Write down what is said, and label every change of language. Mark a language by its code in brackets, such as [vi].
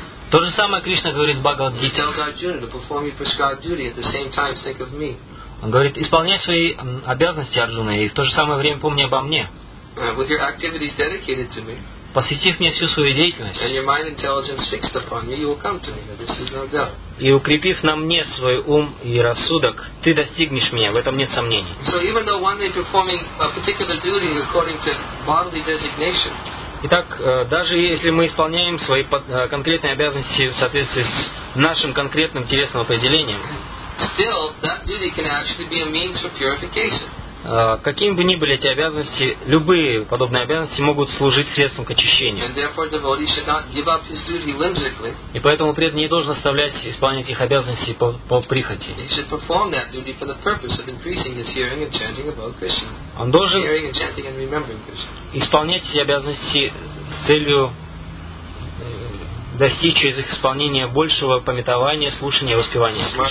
[ru] То же самое Кришна говорит в Бхагавад-гите. Он говорит: исполняй свои обязанности, Арджуна, и в то же самое время помни обо мне. [en] With your activities dedicated to me, [ru] посвятив мне всю свою деятельность, [en] and your mind intelligence fixed upon me, you will come to me. This is no doubt. [ru] И укрепив на мне свой ум и рассудок, ты достигнешь меня, в этом нет сомнений. [en] So even though one may perform a particular duty according to bodily designation, [ru] итак, даже если мы исполняем свои конкретные обязанности в соответствии с нашим конкретным телесным определением, [en] still, that duty can actually be a means for purification. [ru] Какими бы ни были эти обязанности, любые подобные обязанности могут служить средством к очищению. [en] And therefore, devotee should not give up his duty whimsically. [ru] И поэтому преданный не должен оставлять исполнять их обязанности по прихоти. [en] He should perform that duty for the purpose of increasing his hearing and chanting about Krishna. [ru] Он должен [en] hearing and chanting and remembering Krishna. [ru] Исполнять эти обязанности с целью достичь из их исполнения большего памятования, слушания и воспевания.